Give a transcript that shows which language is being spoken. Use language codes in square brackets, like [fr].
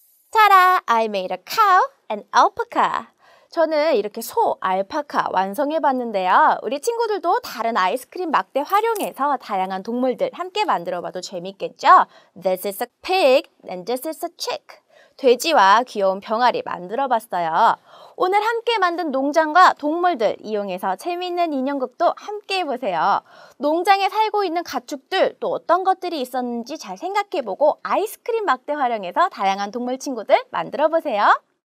[en] 타라! I made a cow and alpaca. [ko] 저는 이렇게 소, 알파카 완성해봤는데요. 우리 친구들도 다른 아이스크림 막대 활용해서 다양한 동물들 함께 만들어봐도 재밌겠죠? [en] This is a pig and this is a chick. [ko] 돼지와 귀여운 병아리 만들어봤어요. 오늘 함께 만든 농장과 동물들 이용해서 재미있는 인형극도 함께 해보세요. 농장에 살고 있는 가축들 또 어떤 것들이 있었는지 잘 생각해보고 아이스크림 막대 활용해서 다양한 동물 친구들 만들어보세요.